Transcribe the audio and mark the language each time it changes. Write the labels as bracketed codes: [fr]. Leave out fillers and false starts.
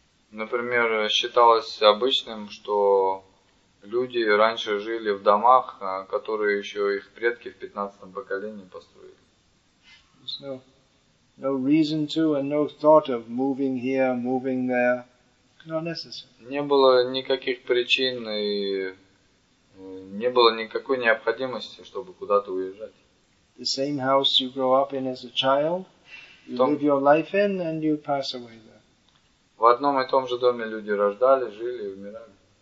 [ru] Например, считалось обычным, что люди раньше жили в домах, которые еще их предки в 15-м поколении построили. [en] There's no reason to and no thought of moving here, moving there. Not necessary. [ru] Не было никаких причин и не было никакой необходимости, чтобы куда-то уезжать. [en] The same house you grow up in as a child, you live your life in and you pass away there. [ru] В одном и том же доме люди рождались, жили и умирали.